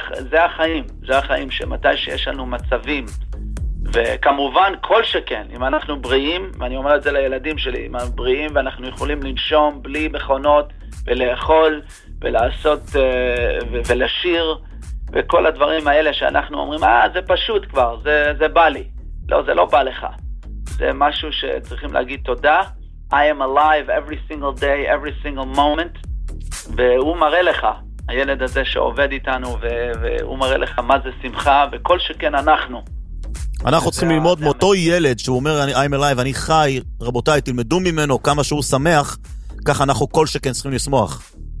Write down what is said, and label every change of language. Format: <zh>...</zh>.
<he>זה החיים, זה החיים, שמתי שיש לנו מצבים, וכמובן כל שכן, אם אנחנו בריאים, ואני אומר את זה לילדים שלי, אם אנחנו בריאים ואנחנו יכולים לנשום בלי מכונות, ולאכול, ולעשות, ולשיר, וכל הדברים האלה שאנחנו אומרים, זה פשוט כבר, זה בא לי. לא, זה לא בא לך. זה משהו שצריכים להגיד תודה.</he> <en>I am alive every single day, every single moment.</en> <he>והוא מראה לך, הילד הזה שעובד איתנו, והוא מראה לך מה זה שמחה, וכל שכן אנחנו. אנחנו צריכים ללמוד מאותו ילד שהוא אומר,</he> <en>I'm alive,</en> <he>אני חי, רבותיי, תלמדו ממנו כמה שהוא שמח, כך אנחנו כל שכן צריכים לשמוח.</he>